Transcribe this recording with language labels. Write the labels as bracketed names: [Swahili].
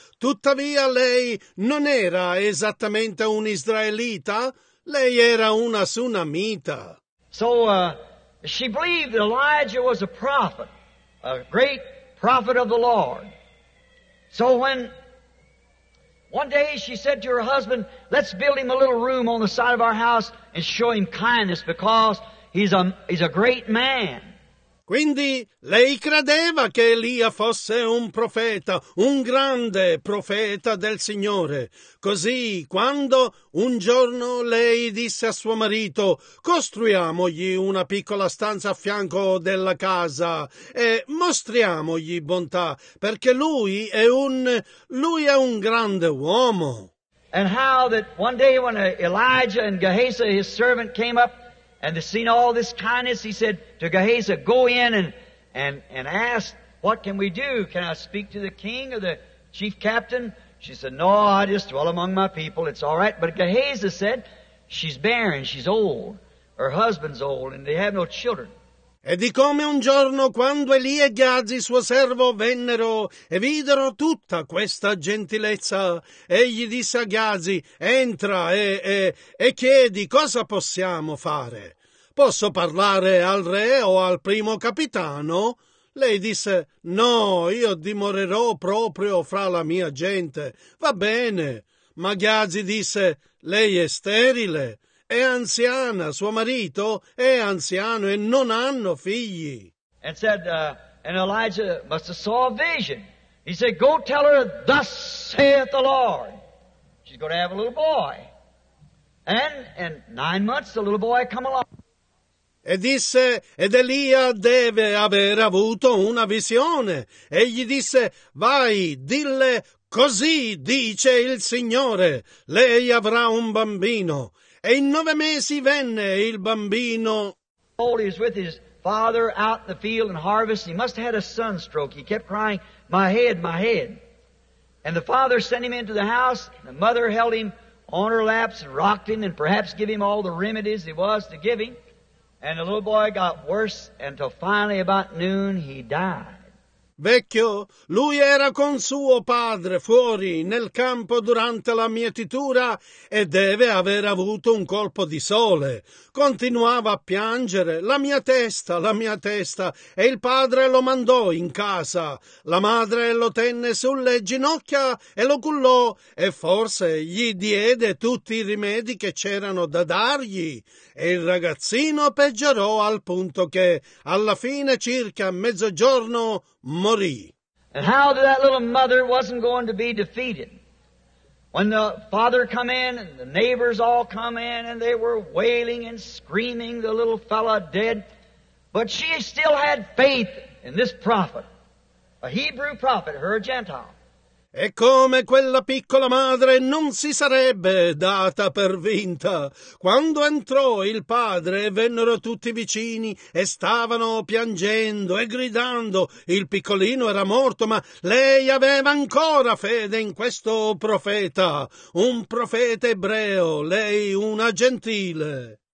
[Italian] Tuttavia lei non era esattamente un'israelita, lei era una sunamita. [English] So she believed that Elijah was a prophet, a great prophet of the Lord. So when one day she said to her husband, let's build him a little room on the side of our house and show him kindness because he's a great man. [Italian] Quindi lei credeva che Elia fosse un profeta, un grande profeta del Signore. Così, quando un giorno lei disse a suo marito, costruiamogli una piccola stanza a fianco della casa e mostriamogli bontà, perché lui è un grande uomo. [English] And how that one day when Elijah and Gehazi, his servant, came up, and seeing all this kindness, he said to Gehazi, go in and ask, what can we do? Can I speak to the king or the chief captain? She said, no, I just dwell among my people. It's all right. But Gehazi said, she's barren, she's old, her husband's old, and they have no children. [Italian] E di come un giorno, quando Elia e Gehazi, suo servo, vennero e videro tutta questa gentilezza, egli disse a Gehazi, entra e chiedi cosa possiamo fare. Posso parlare al re o al primo capitano? Lei disse, no, io dimorerò proprio fra la mia gente. Va bene. Ma Gehazi disse, lei è sterile. È anziana, suo marito è anziano e non hanno figli. [English] And said, and Elijah must have saw a vision. He said, go tell her, thus saith the Lord. She's going to have a little boy. And in 9 months, the little boy come along. [Italian] E disse, ed Elia deve aver avuto una visione. Egli disse, vai, dille, così dice il Signore, lei avrà un bambino. E in 9 mesi venne il bambino. [English] He was with his father out in the field and harvest. He must have had a sunstroke. He kept crying, my head, my head. And the father sent him into the house. The mother held him on her laps and rocked him and perhaps give him all the remedies he was to give him. And the little boy got worse until finally about noon he died. [Italian] Vecchio, lui era con suo padre fuori nel campo durante la mietitura e deve aver avuto un colpo di sole. Continuava a piangere, la mia testa, e il padre lo mandò in casa. La madre lo tenne sulle ginocchia e lo cullò e forse gli diede tutti i rimedi che c'erano da dargli. E il ragazzino peggiorò al punto che, alla fine, circa mezzogiorno, morì. [English] And how that little mother wasn't going to be defeated. When the father come in and the neighbors all come in and they were wailing and screaming, the little fella dead. But she still had faith in this prophet, a Hebrew prophet, her Gentile. [Italian] E come quella piccola madre non si sarebbe data per vinta. Quando entrò il padre, vennero tutti vicini e stavano piangendo e gridando. Il piccolino era morto, ma lei aveva ancora fede in questo profeta, un profeta ebreo, lei una gentile.